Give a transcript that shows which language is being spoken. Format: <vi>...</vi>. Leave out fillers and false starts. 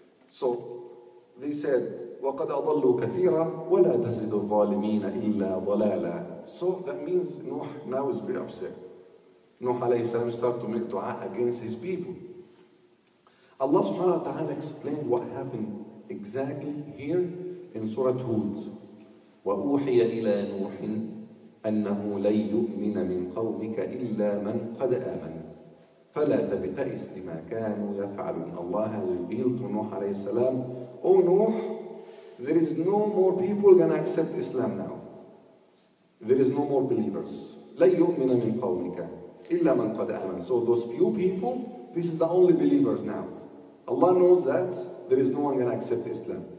<en>So they said,</en> <ar>وقد أضلوا كثيرا ولا تزد الظالمين إلا ضلالا.</ar> <en>So that means Nuh now is very upset. Nuh عليه السلام started to make dua against his people. Allah سبحانه وتعالى explained what happened exactly here in Surah Hud.</en> <ar>وأوحي إلى نوح أنه لن يؤمن من قومك إلا من قد آمن فلا تبتئس بما كانوا يفعلون.</ar> <en>Allah has revealed to Nuh عليه السلام, O Nuh, there is no more people gonna accept Islam now. There is no more believers.</en> <ar>لن يؤمن من قومك إلا من قد آمن.</ar> <en>So those few people, this is the only believers now. Allah knows that there is no one gonna accept Islam.</en>